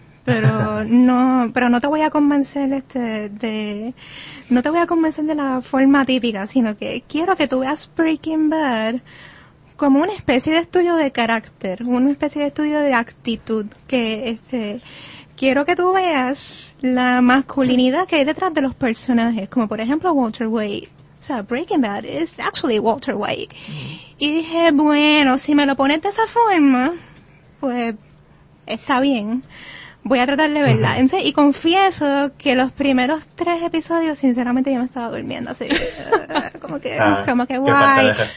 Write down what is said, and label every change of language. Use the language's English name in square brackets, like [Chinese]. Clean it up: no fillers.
[Spanish] Pero no te voy a convencer de la forma típica, sino que quiero que tú veas Breaking Bad como una especie de estudio de carácter, una especie de estudio de actitud, que quiero que tú veas la masculinidad que hay detrás de los personajes, como por ejemplo Walter White. O sea, [English] Breaking Bad is actually Walter White. [Spanish] Y dije, bueno, si me lo pones de esa forma, pues está bien. Voy a tratar de verla. Uh-huh. Y confieso que los primeros 3 episodios, sinceramente, yo me estaba durmiendo así. Como que guay.